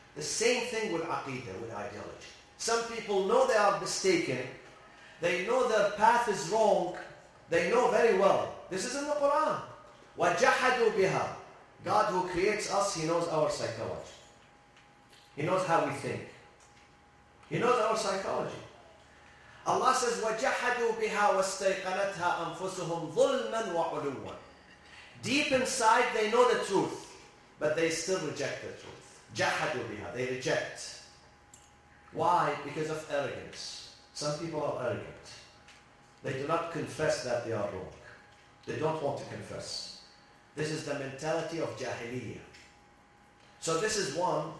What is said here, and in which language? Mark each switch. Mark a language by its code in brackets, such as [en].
[en] The same thing with aqidah, with ideology. Some people know they are mistaken, They know their path is wrong. They know very well. This is in the Quran. [ar] وَجَحَدُوا بِهَا. [en] God who creates us, He knows our psychology. He knows how we think. He knows our psychology. Allah says, [ar] وَجَحَدُوا بِهَا وَاسْتَيْقَنَتْهَا أَنفُسُهُمْ ظُلْمًا وَعُلُوًا. [en] Deep inside, they know the truth, but they still reject the truth. [ar] جَحَدُوا بِهَا. [en] They reject. Why? Because of arrogance. Some people are arrogant. They do not confess that they are wrong. They don't want to confess. This is the mentality of jahiliyyah. So this is one.